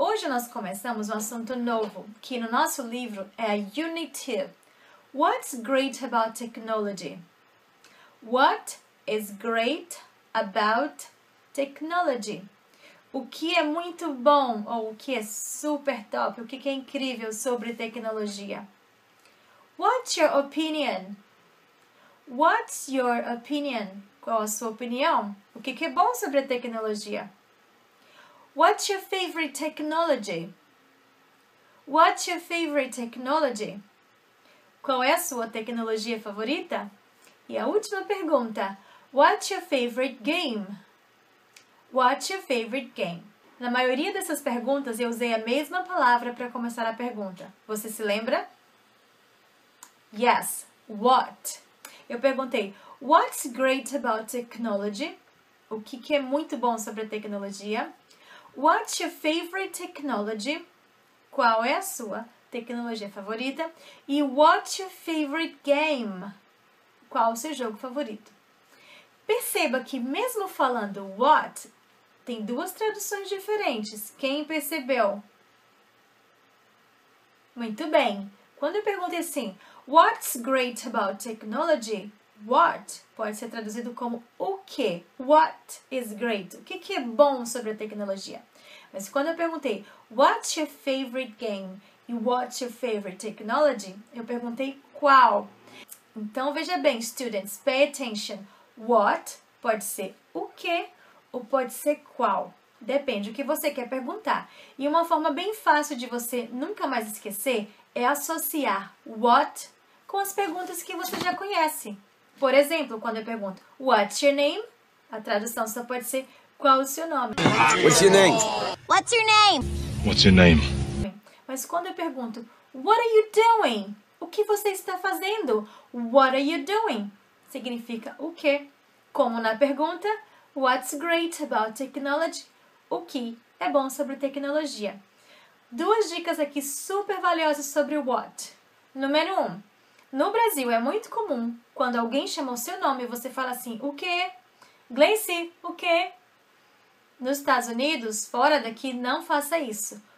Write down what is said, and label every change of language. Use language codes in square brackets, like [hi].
[pt] nós começamos um assunto novo, que no nosso livro é a Unity. [en] What's great about technology? What is great about technology? [pt] O que é muito bom ou o que é super top, o que é incrível sobre tecnologia? [en] What's your opinion? What's your opinion? [pt] Qual a sua opinião? O que é bom sobre a tecnologia? [en] What's your favorite technology? What's your favorite technology? [pt] Qual é a sua tecnologia favorita? E a última pergunta, [en] what's your favorite game? What's your favorite game? [pt] Na maioria dessas perguntas, eu usei a mesma palavra para começar a pergunta. Você se lembra? [en] Yes, what? [pt] Eu perguntei, [en] what's great about technology? [pt] O que é muito bom sobre a tecnologia? [en] What's your favorite technology? [pt] Qual é a sua tecnologia favorita? [en] E what's your favorite game? [pt] Qual o seu jogo favorito? Perceba que mesmo falando what, tem duas traduções diferentes. Quem percebeu? Muito bem. Quando eu perguntei assim, [en] what's great about technology? [pt] What pode ser traduzido como o quê? [en] What is great? [pt] O que é bom sobre a tecnologia? Mas quando eu perguntei, [en] what's your favorite game? E what's your favorite technology? [pt] Eu perguntei qual. Então, veja bem, [en] students, pay attention. [pt] What pode ser o quê ou pode ser qual. Depende do que você quer perguntar. E uma forma bem fácil de você nunca mais esquecer é associar what com as perguntas que você já conhece. Por exemplo, quando eu pergunto, [en] what's your name? [pt] A tradução só pode ser, qual o seu nome? [en] What's your name? What's your name? What's your name? [pt] Mas quando eu pergunto, [en] what are you doing? [pt] O que você está fazendo? [en] What are you doing? [pt] Significa o quê? Como na pergunta, [en] what's great about technology? [pt] O que é bom sobre tecnologia? Duas dicas aqui super valiosas sobre o what. Número 1. No Brasil, é muito comum, quando alguém chama o seu nome, você fala assim, o quê? Gleice, o quê? Nos Estados Unidos, fora daqui, não faça isso.